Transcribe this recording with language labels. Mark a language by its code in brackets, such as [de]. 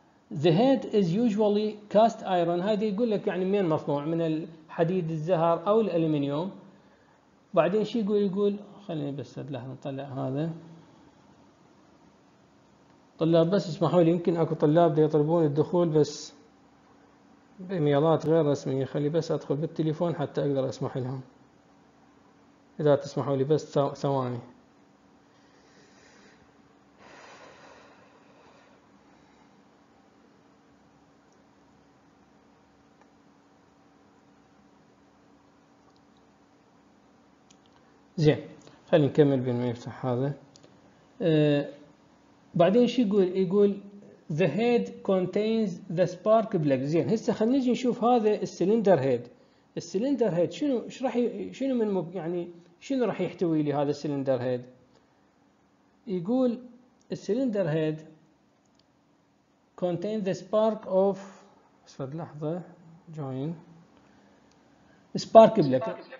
[en] The head is usually cast iron. [ar] هذا يقول لك يعني من مصنوع، من الحديد الزهر او الالومنيوم. بعدين شو يقول خليني بس لحظة نطلع هذا. طلاب بس اسمحوا لي، يمكن اكو طلاب دي يطلبون الدخول بس بإيميلات غير رسمية، خلي بس ادخل بالتليفون حتى اقدر اسمح لهم اذا تسمحوا لي بس ثواني. زين، خلينا نكمل بين ما يفتح هذا. بعدين شو يقول؟ يقول [en] the head contains the spark plug. [ar] زين، هسه خلينا نجي نشوف هذا السلندر هيد. السلندر هيد شنو راح شنو من يعني شنو راح يحتوي لي هذا السلندر هيد؟ يقول السلندر هيد [en] contains the spark of [ar] اسفد لحظه join spark plug.